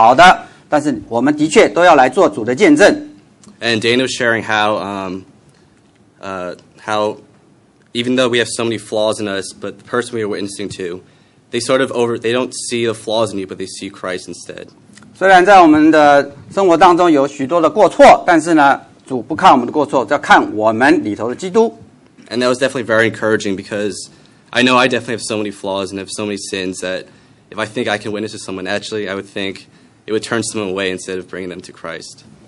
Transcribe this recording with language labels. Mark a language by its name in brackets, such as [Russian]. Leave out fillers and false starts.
[Chinese] 就像刚才Kelvin弟兄所讲的，不管你是在主里非常好或是不好的，但是我们的确都要来做主的见证。 [English] And Dana was sharing how even though we have so many flaws in us, but the person we are witnessing to, they don't see the flaws in you, but they see Christ instead. [Chinese] 虽然在我们的生活当中有许多的过错，但是呢，主不看我们的过错，要看我们里头的基督。 [English] And that was definitely very encouraging because I know I definitely have so many flaws and have so many sins that if I think I can witness to someone, actually, I would think it would turn someone away instead of bringing them to Christ.